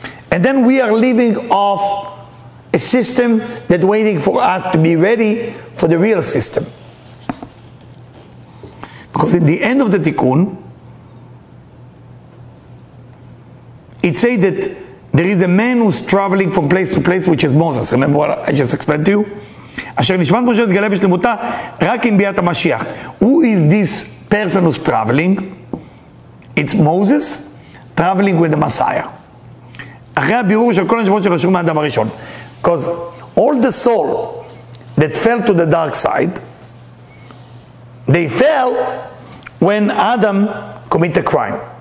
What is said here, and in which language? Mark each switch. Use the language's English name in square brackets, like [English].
[English] And then we are living off a system that's waiting for us to be ready for the real system. Because in the end of the Tikkun, it says that there is a man who's traveling from place to place, which is Moses. Remember what I just explained to you? [Hebrew] אשר נשמת משה תגלה בשלמותה רק עם ביאת המשיח. [English] Who is this person who's traveling? It's Moses traveling with the Messiah. [Hebrew] אחרי הבירור של כל הנשמות שלו שרו מהאדם הראשון. [English] Because all the soul that fell to the dark side, they fell when Adam committed a crime.